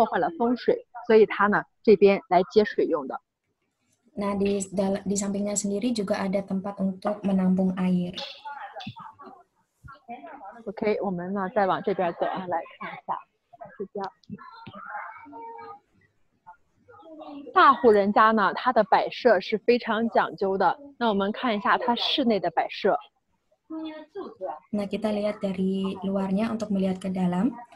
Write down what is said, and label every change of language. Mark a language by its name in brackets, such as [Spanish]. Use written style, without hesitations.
[Chinese] 那旁边有两个大水缸，是接水用的，因为内宅里面它不能打水井，怕破坏了风水，所以它呢这边来接水用的。 [Indonesian] Nah, di sampingnya sendiri juga ada tempat untuk menampung air. [Chinese] Oke, 我们呢再往这边走啊，来看一下，是这样。大户人家呢，它的摆设是非常讲究的。那我们看一下它室内的摆设。 [Indonesian] Nah, kita lihat dari luarnya untuk melihat ke dalam.